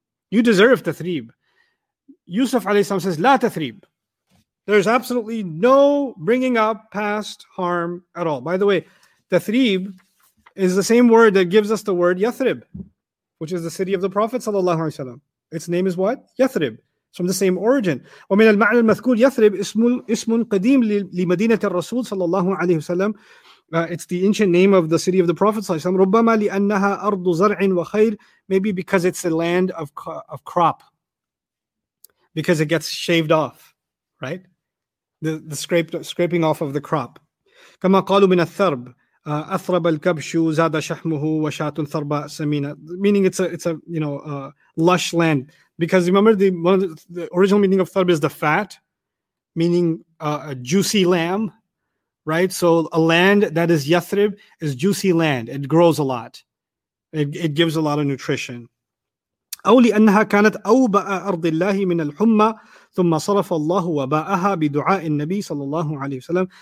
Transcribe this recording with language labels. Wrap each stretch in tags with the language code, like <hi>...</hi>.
<en>You deserve tathrib. Yusuf alayhi salam says, la tathrib. There's absolutely no bringing up past harm at all. By the way, tathrib is the same word that gives us the word Yathrib, which is the city of the Prophet sallallahu alayhi wa sallam. Its name is what? Yathrib. It's from the same origin.</en> <ar>ومن المعنى المذكور يثرب اسم قديم لمدينة الرسول صلى الله عليه وسلم.</ar> <en>It's the ancient name of the city of the Prophet</en> <ar>صلى الله عليه وسلم. ربما لأنها أرض زرع وخير.</ar> <en>Maybe because it's a land of crop. Because it gets shaved off, right? The scraping off of the crop.</en> <ar>كما قالوا من الثرب. أثرب الكبش زاد شحمه وشات ثرباء سمينة.</ar> <en>Meaning it's a lush land. Because remember, the original meaning of thurb is the fat, meaning a juicy lamb, right? So a land that is Yathrib is juicy land. It grows a lot. It gives a lot of nutrition.</en> <ar>أو لأنها كانت أوبأ أرض الله من الحمى ثم صرف الله وباءها بدعاء النبي صلى الله عليه وسلم.</ar>